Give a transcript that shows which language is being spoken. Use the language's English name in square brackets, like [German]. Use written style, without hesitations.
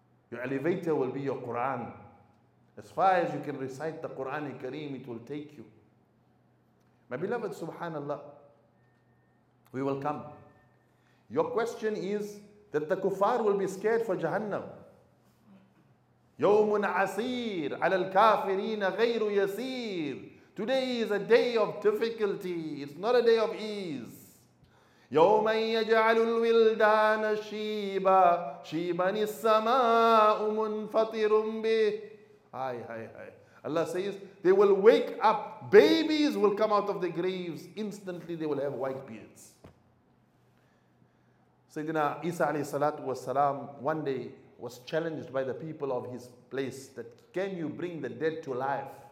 [English] Your elevator will be your Quran. As far as you can recite the Quran al-Kareem, it will take you. My beloved, subhanAllah, we will come. Your question is that the kuffar will be scared for Jahannam. [Arabic] يوم عسير على الكافرين غير يسير [English] Today is a day of difficulty. It's not a day of ease. [Arabic] يَوْمَنْ يَجْعَلُ الْوِلْدَانَ شِيبًا شِيبَنِ السَّمَاءُ مُنْفَطِرٌ بِهِ Aye, aye, aye. [English] Allah says, they will wake up. Babies will come out of the graves. Instantly they will have white beards. Sayyidina Isa alayhi salatu was salam one day was challenged by the people of his place that can you bring the dead to life?